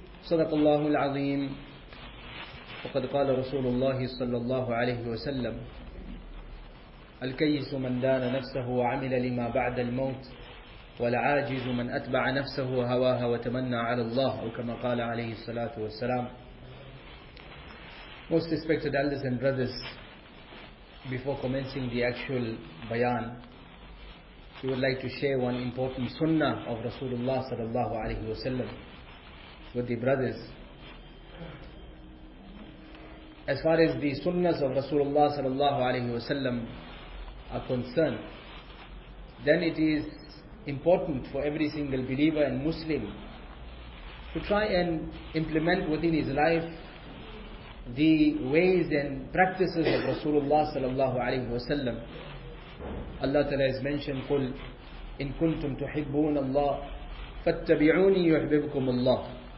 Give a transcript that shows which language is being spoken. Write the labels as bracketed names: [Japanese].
[Arabic] صدق الله العظيم. وقد قال رسول الله صلى الله عليه وسلم: الكيس من دان نفسه وعمل لما بعد الموت، والعاجز من أتبع نفسه هواها وتمنى على الله، أو كما قال عليه الصلاة والسلام. [English] Most respected elders and brothers, before commencing the actual bayan, we would like to share one important sunnah of Rasulullah sallallahu alaihi wasallam with the brothers. As far as the sunnahs of Rasulullah sallallahu alaihi wasallam are concerned, then it is important for every single believer and Muslim to try and implement within his life the ways and practices of Rasulullah sallallahu alaihi wasallam. Allah Ta'ala has mentioned, [Arabic] قُلْ إِن كُنْتُمْ تُحِبُّونَ اللَّهِ فَاتَّبِعُونِي يُحْبِبْكُمُ اللَّهِ.